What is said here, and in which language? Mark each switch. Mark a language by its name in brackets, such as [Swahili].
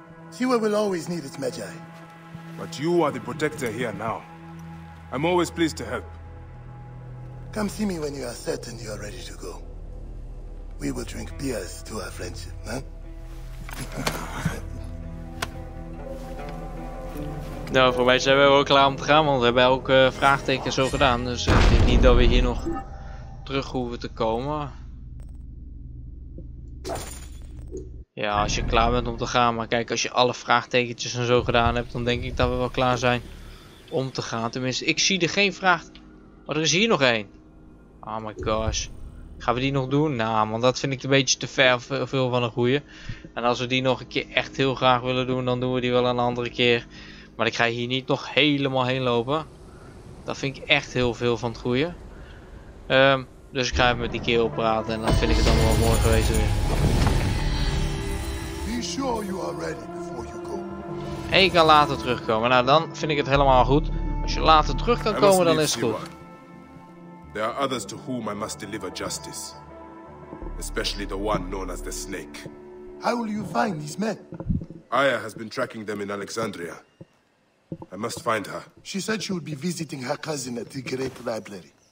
[English] Siwa will always need its Magi. But you are the protector here now. I'm always pleased to help. Come see me when you are certain you are ready to go. We will drink beers to our friendship, huh? [Dutch] Nou, voor mij zijn we wel klaar om te gaan, want we hebben ook vraagtekens zo gedaan. Dus ik denk niet dat we hier nog terug hoeven te komen. Ja, als je klaar bent om te gaan, maar kijk, als je alle vraagtekentjes en zo gedaan hebt, dan denk ik dat we wel klaar zijn om te gaan. Tenminste, ik zie er geen vraag. Maar er is hier nog één. [English] Oh my gosh. [Dutch] Gaan we die nog doen? Nou, want dat vind ik een beetje te ver veel van een goeie. En als we die nog een keer echt heel graag willen doen, dan doen we die wel een andere keer. Maar ik ga hier niet nog helemaal heen lopen. Dat vind ik echt heel veel van het goeie. Dus ik ga even met die kerel praten en dan vind ik het allemaal wel mooi geweest weer. [English] Be sure you are ready before you go. [Dutch] En je kan later terugkomen. Nou, dan vind ik het helemaal goed. Als je later terug kan komen, dan is het goed. [English] There are others to whom I must deliver justice. Especially the one known as the Snake. How will you find these men? Aya has been tracking them in Alexandria. I must find her. She said she would be visiting her cousin at the Great Library.